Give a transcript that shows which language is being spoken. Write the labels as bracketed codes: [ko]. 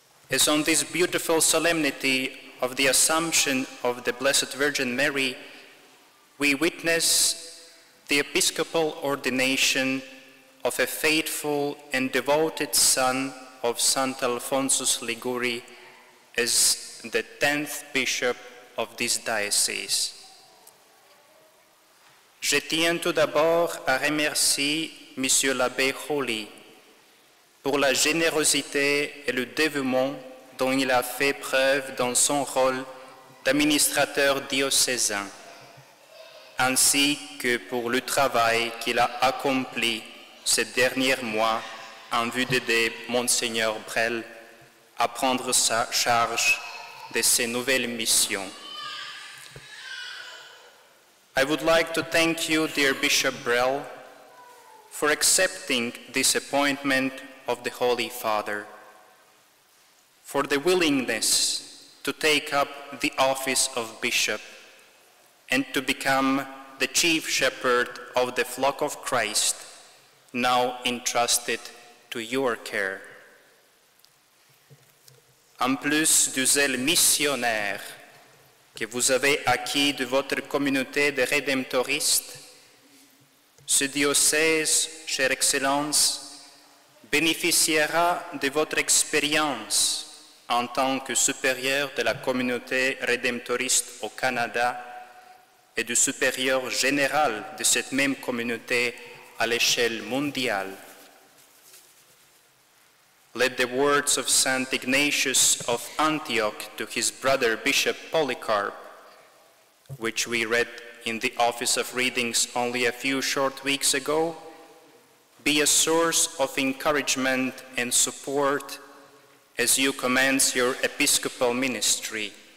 [en] As on this beautiful solemnity of the Assumption of the Blessed Virgin Mary, we witness the episcopal ordination of a faithful and devoted son of Saint Alphonsus Liguri as the 10th bishop of this diocese. [fr] Je tiens tout d'abord à remercier Monsieur l'abbé Holy pour la générosité et le dévouement dont il a fait preuve dans son rôle d'administrateur diocésain, ainsi que pour le travail qu'il a accompli ces derniers mois en vue d'aider Monseigneur Brehl à prendre sa charge de ses nouvelles missions. [en] I would like to thank you, dear Bishop Brehl, for accepting this appointment of the Holy Father, for the willingness to take up the office of bishop and to become the chief shepherd of the flock of Christ, now entrusted to your care. [fr] En plus du zèle missionnaire que vous avez acquis de votre communauté de rédemptoristes, ce diocèse, chère excellence, bénéficiera de votre expérience en tant que supérieur de la communauté rédemptoriste au Canada et du supérieur général de cette même communauté à l'échelle mondiale. [en] Let the words of Saint Ignatius of Antioch to his brother Bishop Polycarp, which we read in the Office of Readings only a few short weeks ago, be a source of encouragement and support as you commence your episcopal ministry.